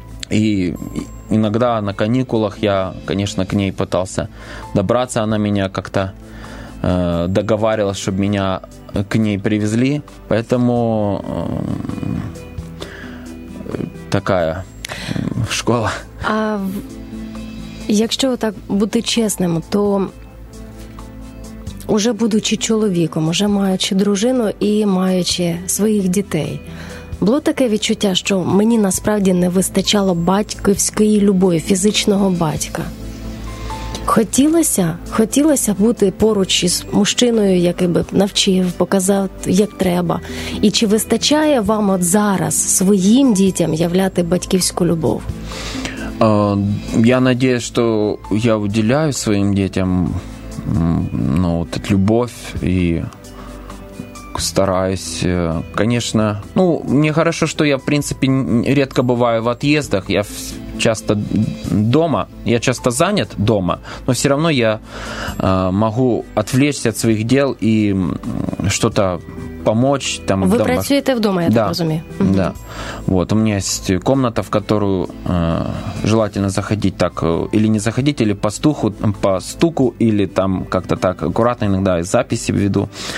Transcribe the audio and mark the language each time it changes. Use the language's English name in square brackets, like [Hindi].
[Russian] И иногда на каникулах я, конечно, к ней пытался добраться. Она меня как-то договаривалась, чтобы меня... к ней привезли, поэтому такая школа. [Ukrainian] А якщо так бути чесним, то уже будучи чоловіком, уже маючи дружину і маючи своїх дітей, було таке відчуття, що мені насправді не вистачало батьківської любові, фізичного батька? Хотілося бути поруч із мужчиною, який би навчив, показав, як треба. І чи вистачає вам от зараз своїм дітям являти батьківську любов? Я надіюсь, що я уділяю своїм дітям, ну, от любов і стараюсь. Конечно, ну, мені хорошо, що я, в принципі, рідко буваю в від'їздах. [Russian] Я часто дома, я часто занят дома, но все равно я могу отвлечься от своих дел и что-то помочь. Там, [Ukrainian] вы працюете вдома, я так разумею. [Russian] Да. Вот, у меня есть комната, в которую желательно заходить так, или не заходить, или по стуку, или там как-то так аккуратно иногда записи веду.